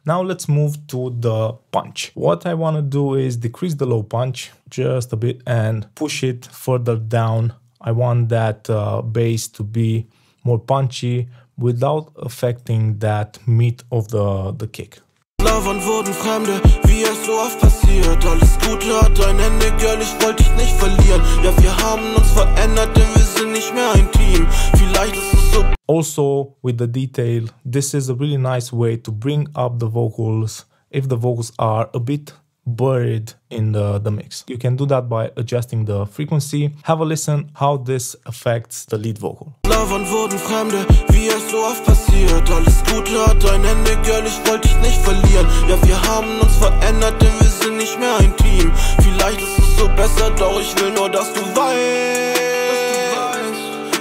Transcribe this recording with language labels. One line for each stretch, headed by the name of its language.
English: Now let's move to the punch. What I want to do is decrease the low punch just a bit and push it further down. I want that bass to be more punchy without affecting that meat of the kick.
German: Lovern wurden Fremde, wie es so oft passiert. Alles Gute hat ein Ende, girl, ich wollte dich nicht verlieren. Ja, wir haben uns verändert, denn wir sind nicht mehr ein Team. Vielleicht ist es so.
English: Also, with the detail, this is a really nice way to bring up the vocals if the vocals are a bit buried in the mix. You can do that by adjusting the frequency. Have a listen how this affects the lead vocal.
German: Lovern wurden Fremde, wie es so oft passiert. Alles Gute hat ein Ende, girl, ich wollte dich nicht verlieren. Ja, wir haben uns verändert, denn wir sind nicht mehr ein Team. Vielleicht ist es so besser, doch ich will nur, dass du weißt.